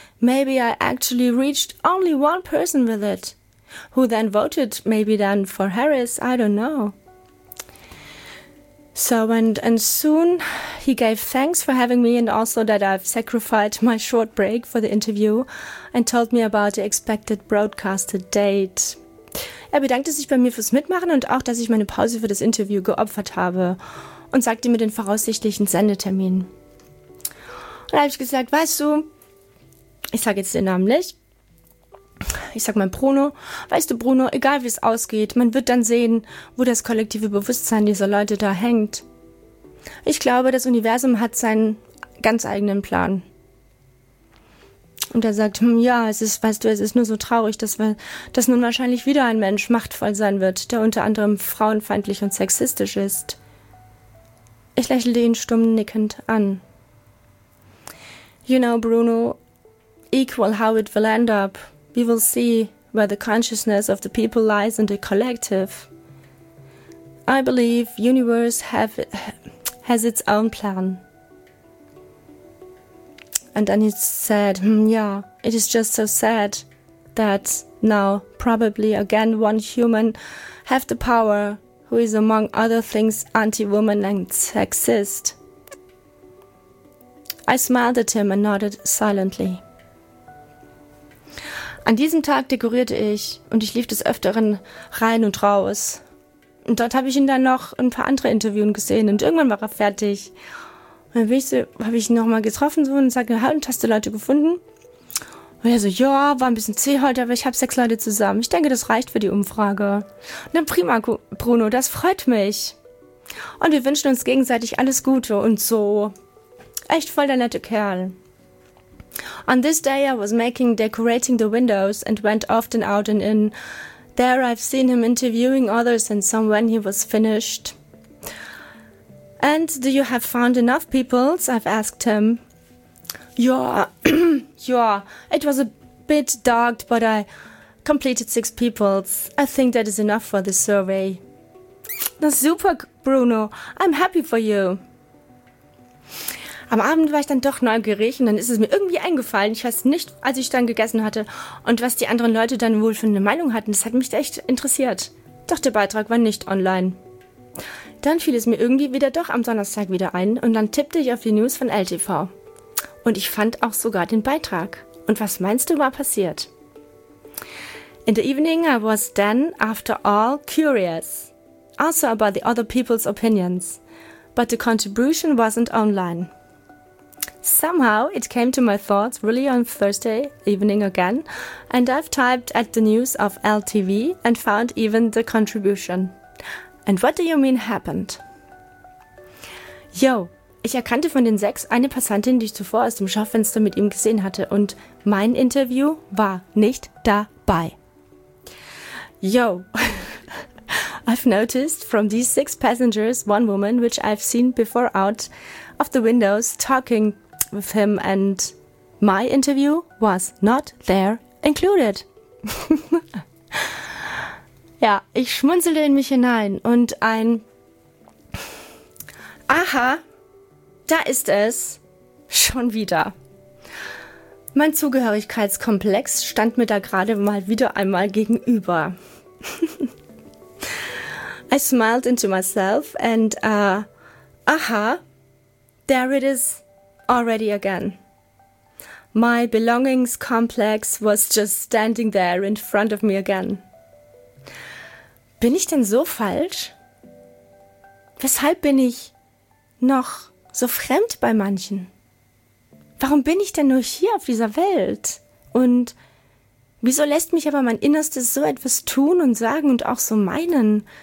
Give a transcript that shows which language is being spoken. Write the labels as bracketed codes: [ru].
[en] Maybe I actually reached only one person with it, who then voted maybe then for Harris. I don't know. So and soon he gave thanks for having me, and also that I've sacrificed my short break for the interview, and told me about the expected broadcasted date. [de] Bedankte sich bei mir fürs Mitmachen und auch, dass ich meine Pause für das Interview geopfert habe. Und sagte mir den voraussichtlichen Sendetermin. Und da habe ich gesagt, weißt du, ich sage jetzt den Namen nicht, ich sage mal Bruno, weißt du Bruno, egal wie es ausgeht, man wird dann sehen, wo das kollektive Bewusstsein dieser Leute da hängt. Ich glaube, das Universum hat seinen ganz eigenen Plan. Und er sagt, ja, es ist, weißt du, es ist nur so traurig, dass nun wahrscheinlich wieder ein Mensch machtvoll sein wird, der unter anderem frauenfeindlich und sexistisch ist. Ich lächelte ihn stumm nickend an. [en] You know, Bruno, equal how it will end up, we will see where the consciousness of the people lies in the collective. I believe universe has its own plan. And then he said, yeah, it is just so sad that now probably again one human have the power who is, among other things, anti-woman and sexist. I smiled at him and nodded silently. [de] An diesem Tag dekorierte ich und ich lief des Öfteren rein und raus. Und dort habe ich ihn dann noch ein paar andere Interviews gesehen und irgendwann war er fertig. Und dann habe ich ihn nochmal getroffen so, und sagte, hast du Leute gefunden? Und er so, ja, war ein bisschen zäh heute, aber ich habe 6 Leute zusammen. Ich denke, das reicht für die Umfrage. Na prima, Bruno, das freut mich. Und wir wünschen uns gegenseitig alles Gute und so. Echt voll der nette Kerl. [en] On this day I was decorating the windows and went often out and in. There I've seen him interviewing others and some when he was finished. And do you have found enough peoples? I've asked him. Yeah, it was a bit dark, but I completed 6 peoples. I think that is enough for this survey. [de] Das ist super, [en] Bruno. I'm happy for you. [de] Am Abend war ich dann doch neugierig und dann ist es mir irgendwie eingefallen. Ich weiß nicht, als ich dann gegessen hatte und was die anderen Leute dann wohl für eine Meinung hatten. Das hat mich echt interessiert. Doch der Beitrag war nicht online. Dann fiel es mir irgendwie wieder doch am Donnerstag wieder ein und dann tippte ich auf die News von LTV. Und ich fand auch sogar den Beitrag. Und was meinst du, war passiert? [en] In the evening I was then, after all, curious. Also about the other people's opinions. But the contribution wasn't online. Somehow it came to my thoughts really on Thursday evening again. And I've typed at the news of LTV and found even the contribution. And what do you mean happened? [de] Yo, ich erkannte von den sechs eine Passantin, die ich zuvor aus dem Schaufenster mit ihm gesehen hatte und mein Interview war nicht dabei. [en] Yo, I've noticed from these six passengers one woman which I've seen before out of the windows talking with him and my interview was not there included. [de] Ja, ich schmunzelte in mich hinein und ein Aha, da ist es schon wieder. Mein Zugehörigkeitskomplex stand mir da gerade mal wieder einmal gegenüber. [en] I smiled into myself and aha, there it is already again. My belongings complex was just standing there in front of me again. [de] Bin ich denn so falsch? Weshalb bin ich noch so fremd bei manchen? Warum bin ich denn nur hier auf dieser Welt? Und wieso lässt mich aber mein Innerstes so etwas tun und sagen und auch so meinen?